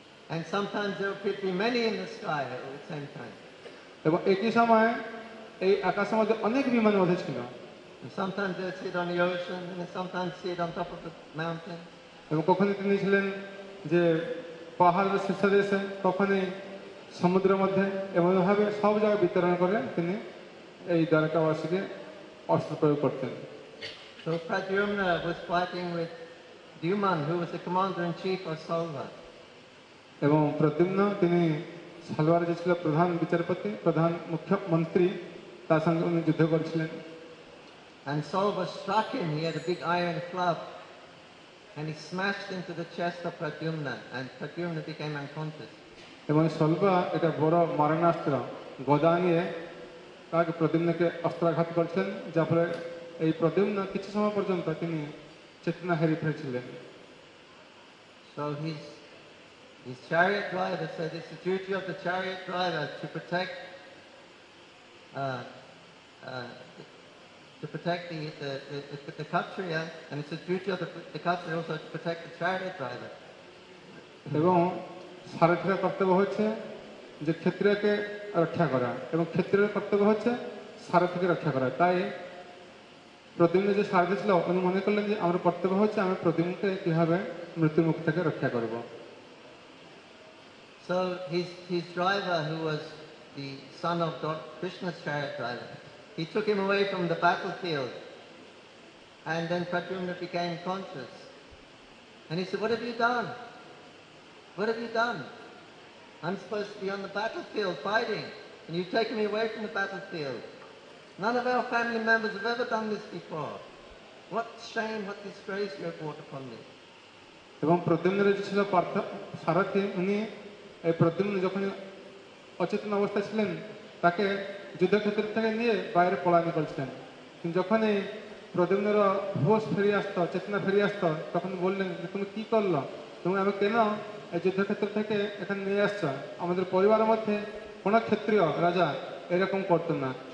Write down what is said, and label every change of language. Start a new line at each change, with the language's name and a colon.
English: And sometimes there could be many in the sky at the same time.
Bangla: এবং একই সময়ে এই আকাশের মধ্যে অনেক বিমান মধ্যে ছিল।
English: Sometimes they sit on the ocean and sometimes sit on top of the mountain.
Bangla: এবং কখনো তিনি ছিলেন যে পাহাড়ের শীর্ষদেশে, কখনো সমুদ্রের মধ্যে, এমনভাবে সব জায়গায় বিতরণ করে তিনি এই দ্বারকাবাসীকে অস্ত্র প্রয়োগ করতেন।
English: So Pradyumna was fighting with Duman, who was the commander in chief of Salva.
Bangla: এবং প্রদ্যুম্ন তিনি সালভার যে ছিল প্রধান বিচারপতি, প্রধান মুখ্যমন্ত্রী, তার সঙ্গে উনি যুদ্ধ করেছিলেন।
English: And Salva struck him, he had a big iron club, and he smashed into the chest of Pradyumna, and Pradyumna became unconscious.
Bangla: এবং সলভা একটা বড় মারণাস্ত্র গদা নিয়ে তাকে প্রদ্যুম্নকে অস্ত্রাঘাত করছেন, যার ফলে এই প্রদ্যুম্ন কিছু সময় পর্যন্ত তিনি চেতনা হারিয়ে ফেলেছিলেন।
English: So his chariot driver said, it's the duty of the chariot driver to protect the Kshatriya, and it's the duty of the Kshatriya also to protect the chariot driver.
Bangla: এবং সারথির কর্তব্য হচ্ছে যে ক্ষত্রিয়কে রক্ষা করা, এবং ক্ষত্রিয়ের কর্তব্য হচ্ছে সারথিকে রক্ষা করা, তাই প্রদ্যুম্ন যে সারথি ছিল উনি মনে করলেন যে আমার কর্তব্য হচ্ছে আমি প্রদ্যুম্নকে কীভাবে মৃত্যুর মুখ থেকে রক্ষা করব।
English: So his driver, who was the son of Krishna's chariot driver, he took him away from the battlefield, and then Pradyumna became conscious. And he said, what have you done? What have you done? I'm supposed to be on the battlefield fighting, and you've taken me away from the battlefield. None of our family members have ever done this before. What shame, what disgrace you have brought upon me.
Bangla: এই প্রদ্যুম্ন যখন অচেতন অবস্থায় ছিলেন তাকে যুদ্ধক্ষেত্র থেকে নিয়ে বাইরে পলায়ন করছিলেন, কিন্তু যখন এই প্রদ্যুম্নের হোশ ফিরে আসত, চেতনা ফিরে আসত, তখন বললেন যে তুমি কী করলো, তুমি আমি কেন এই যুদ্ধক্ষেত্র থেকে এখানে নিয়ে আসছ, আমাদের পরিবারের মধ্যে কোন ক্ষত্রিয় রাজা এরকম করত না।